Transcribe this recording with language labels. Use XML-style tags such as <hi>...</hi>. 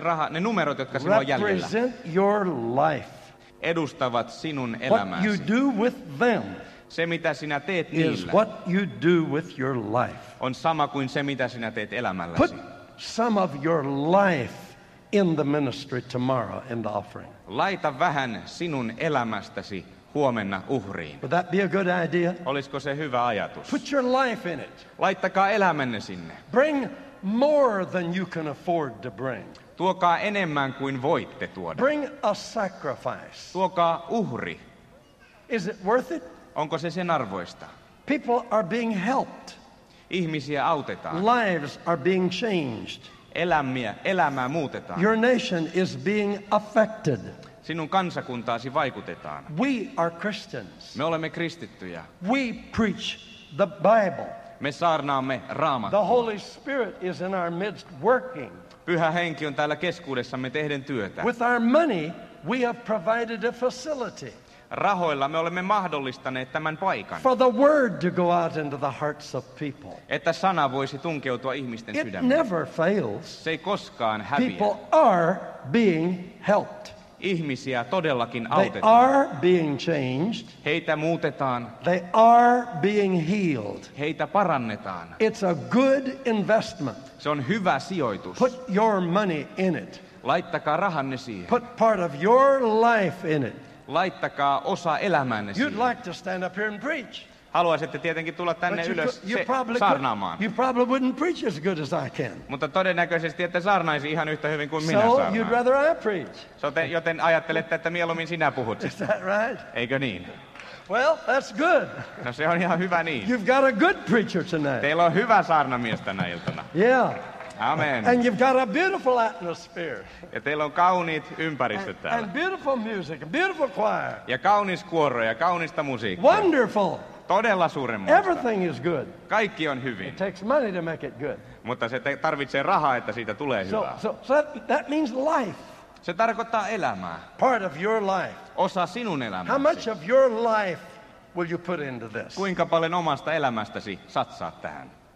<fi>Ne numerot, jotka sinulla on jäljellä.</fi> <en>Represent your life.</en> <fi>Edustavat sinun elämääsi.</fi> <en>What you do with them.</en> <fi>Se mitä sinä teet</fi> <en>is</en> <fi>niillä.</fi> <en>What you do with your life.</en> <fi>On sama kuin se mitä sinä teet elämälläsi.</fi> <en>Put some of your life in the ministry tomorrow in the offering.</en> <fi>Laita vähän sinun elämästäsi huomenna uhriin.</fi> <en>Would that be a good idea?</en> <fi>Olisiko se hyvä ajatus?</fi> <en>Put your life in it.</en> <fi>Laittakaa elämänne sinne.</fi> <en>Bring more than you can afford to bring.</en> <fi>Tuokaa enemmän kuin voitte tuoda.</fi> <en>Bring a sacrifice.</en> <fi>Tuokaa uhri.</fi> <en>Is it worth it?</en> <fi>Onko se sen arvoista?</fi> <en>People are being helped.</en> <fi>Ihmisiä autetaan.</fi> <en>Lives are being changed.</en> <fi>Elämää muutetaan.</fi> <en>Your nation is being affected.</en> <fi>Sinun kansakuntaasi vaikutetaan.</fi> <en>We are Christians.</en> <fi>Me olemme kristittyjä.</fi> <en>We preach the Bible.</en> <fi>Me saarnaamme Raamattua.</fi> <en>The Holy Spirit is in our midst working.</en> <fi>Pyhä Henki on täällä keskuudessamme tehden työtä.</fi> <en>With our money we have provided a facility.</en> <fi>Rahoilla me olemme mahdollistaneet tämän paikan.</fi> <en>For the word to go out into the hearts of people.</en> <fi>Että sana voisi tunkeutua ihmisten sydämiin.</fi> <en>It never fails.</en> <fi>Se ei koskaan häviä.</fi> <en>People are being helped.</en> <fi>Ihmisiä todellakin</fi> <en>they</en> <fi>autetaan.</fi> <en>They are being changed.</en> <fi>Heitä muutetaan.</fi> <en>They are being healed.</en> <fi>Heitä parannetaan.</fi> <en>It's a good investment.</en> <fi>Se on hyvä sijoitus.</fi> <en>Put your money in it.</en> <fi>Laittakaa rahanne siihen.</fi> <en>Put part of your life in it.</en> <fi>Laittakaa osa elämäänne siihen.</fi> <en>Like to stand up here and preach.</en> <fi>Haluaisitte tietenkin tulla tänne ylös saarnaamaan.</fi> <en>You probably wouldn't preach as good as I can.</en> <fi>Mutta todennäköisesti ette saarnaisi ihan yhtä hyvin kuin</fi> <en>so</en> <fi>minä saarnaan.</fi> <en>You'd rather I preach.</en> <fi>Joten ajattelette, että mieluummin sinä puhut.</fi> <en>Is that right?</en> <fi>Eikö niin?</fi> <en>Well, that's good.</en> <fi>No se on ihan hyvä niin.</fi> <en>You've got a good preacher tonight.</en> <fi>Teillä on hyvä saarnamies tänä iltana.</fi> <en>Yeah.</en> <fi>Amen.</fi> <en>And you've got a beautiful atmosphere.</en> <fi>Ja teillä on kauniit ympäristöt täällä.</fi> <en>And beautiful music, a beautiful choir.</en> <fi>Ja kaunis kuoro ja kaunista musiikkia.</fi> <en>Wonderful.</en> <fi>Todella suuremmoista.</fi> <en>Everything is good.</en> <fi>Kaikki on hyvin.</fi> <en>It takes money to make it good.</en> <fi>Mutta se tarvitsee rahaa, että siitä tulee hyvää.</fi> <en>So that means life.</en> <fi>Se tarkoittaa elämää.</fi> <en>Part of your life.</en> <fi>Osa sinun elämäsi.</fi> <en>How much of your life will you put into this?</en> <fi>Kuinka paljon omasta elämästäsi satsaat tähän?</fi>